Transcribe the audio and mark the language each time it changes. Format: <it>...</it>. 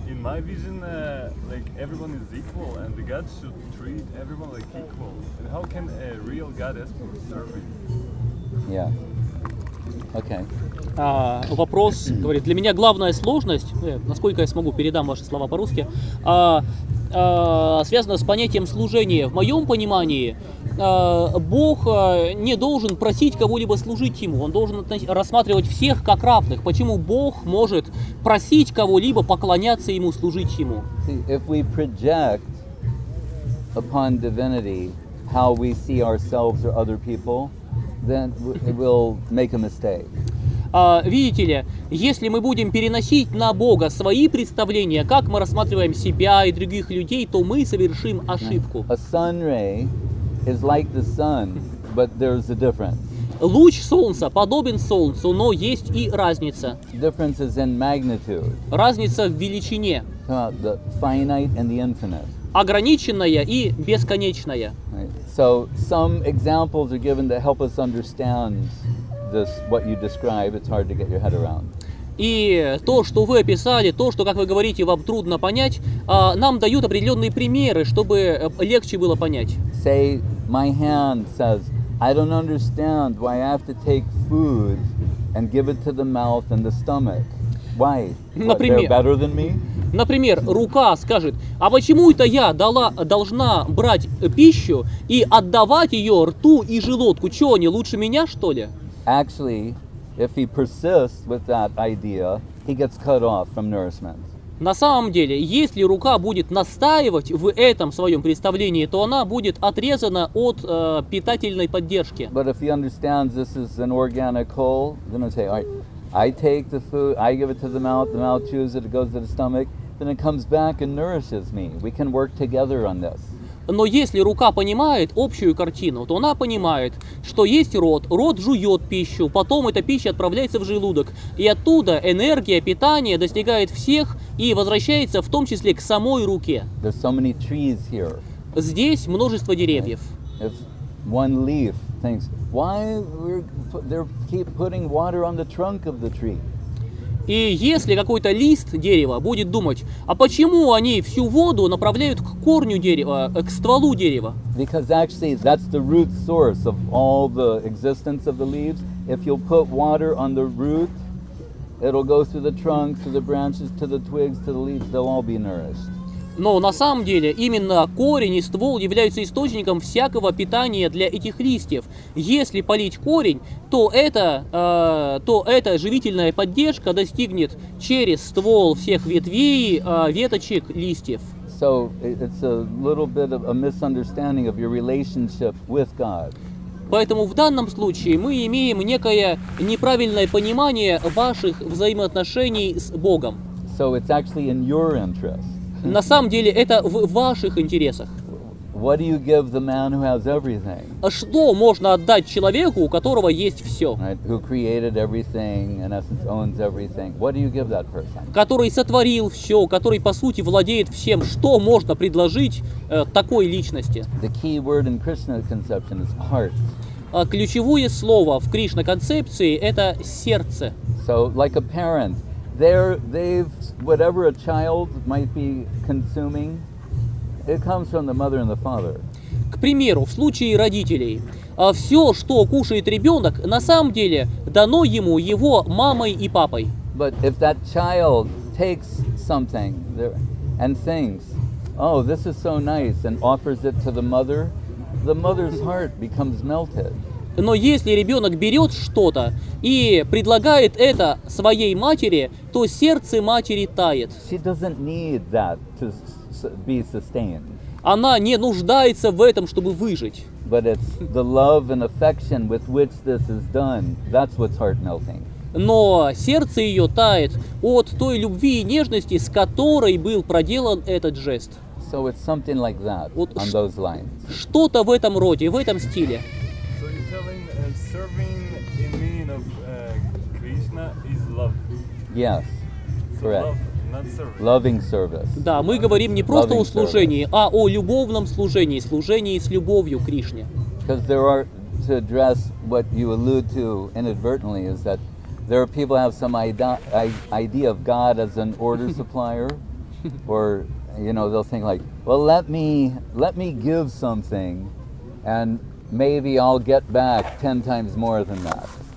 <en>In my vision, everyone is equal and the God should treat everyone like equal. And how can a real God ask for serving? Yeah. Okay.</en> <ru>Вопрос, говорит, для меня главная сложность, насколько я смогу, передам ваши слова по-русски, связана с понятием служения. В моем понимании Бог не должен просить кого-либо служить Ему, Он должен рассматривать всех как равных. Почему Бог может просить кого-либо поклоняться Ему, служить Ему?</ru> <en>If we project upon divinity how we see ourselves or other people, then it will make a mistake.</en> <ru>Видите ли, если мы будем переносить на Бога свои представления, как мы рассматриваем себя и других людей, то мы совершим ошибку.</ru> <en>A sun ray is like the sun, but there's a difference.</en> <ru>Луч солнца подобен солнцу, но есть и разница.</ru> <en>Difference is in magnitude.</en> <ru>Разница в величине.</ru> <en>The finite and the infinite.</en> <ru>Ограниченная и бесконечная.</ru> <en>So some examples are given to help us understand this, what you describe. It's hard to get your head around.</en> <ru>И то, что вы описали, то, что, как вы говорите, вам трудно понять, нам дают определенные примеры, чтобы легче было понять.</ru> <en>Say, my hand says, I don't understand why I have to take food and give it to the mouth and the stomach. Why?</en> <ru>Например,</ru> <en>they're better than me?</en> <ru>Например, рука скажет, а почему это я должна брать пищу и отдавать ее рту и желудку? Чего они, лучше меня, что ли?</ru> <en>Actually, if he persists with that idea, he gets cut off from nourishment.</en> <ru>На самом деле, если рука будет настаивать в этом своем представлении, то она будет отрезана от питательной поддержки.</ru> <en>But if he understands this is an organic whole, then he'll say, all right. I take the food, I give it to the mouth chews it, it goes to the stomach, then it comes back and nourishes me. We can work together on this.</en> <ru>Но если рука понимает общую картину, то она понимает, что есть рот, рот жует пищу, потом эта пища отправляется в желудок, и оттуда энергия, питание достигает всех и возвращается в том числе к самой руке.</ru> <en>There's so many trees here.</en> <ru>Здесь множество деревьев.</ru> <en>If one leaf thinks, why they keep putting water on the trunk of the tree?</en> <ru>И если какой-то лист дерева будет думать, а почему они всю воду направляют к корню дерева, к стволу дерева?</ru> <en>Because actually that's the root source of all the existence of the leaves. If you put water on the root, it'll go through the trunk, through the branches, to the twigs, to the leaves, they'll all be nourished.</en> <ru>Но на самом деле именно корень и ствол являются источником всякого питания для этих листьев. Если полить корень, то эта живительная поддержка достигнет через ствол всех ветвей, веточек, листьев.</ru> <en>So it's a little bit of a misunderstanding of your relationship with God.</en> <ru>Поэтому в данном случае мы имеем некое неправильное понимание ваших взаимоотношений с Богом.</ru> <en>So it's actually in your interest.</en> <ru>На самом деле это в ваших интересах.</ru> <en>What do you give the man who has everything?</en> <ru>Что можно отдать человеку, у которого есть все?</ru> <en>Right? Who created everything, in essence owns everything. What do you give that person?</en> <ru>Который сотворил все, который по сути владеет всем. Что можно предложить такой личности?</ru> <en>The key word in Krishna conception is heart.</en> <ru>Ключевое слово в Кришна концепции это сердце.</ru> <en>So, like a parent, they've whatever a child might be consuming. It comes from the mother and the father.</en> <ru>К примеру, в случае родителей, все, что кушает ребенок, на самом деле дано ему его мамой и папой.</ru> <en>But if that child takes something and thinks, oh, this is so nice, and offers it to the mother's heart becomes melted.</en> <ru>Но если ребенок берет что-то и предлагает это своей матери, то сердце матери тает.</ru> <en>She doesn't need that to be sustained.</en> <ru>Она не нуждается в этом, чтобы выжить.</ru> <en>But it's the love and affection with which this is done. That's what's heart melting.</en> <ru>Но сердце ее тает от той любви и нежности, с которой был проделан этот жест.</ru> <en>So it's something like that,</en> <ru>вот</ru> <en>on those lines.</en> <ru>Что-то в этом роде, в этом стиле.</ru> <en>So you're telling serving the meaning of Krishna is love. Yes. Correct. So love. Not service. Loving service.</en> <ru>Да, мы говорим не просто о служении, а о любовном служении, служении с любовью к Кришне.</ru> <en>Because there are, to address what you allude to inadvertently, is that there are people who have some idea of God as an order supplier, or, you know, they'll think like, well, let me give something, and maybe I'll get back 10 times more than that.</en>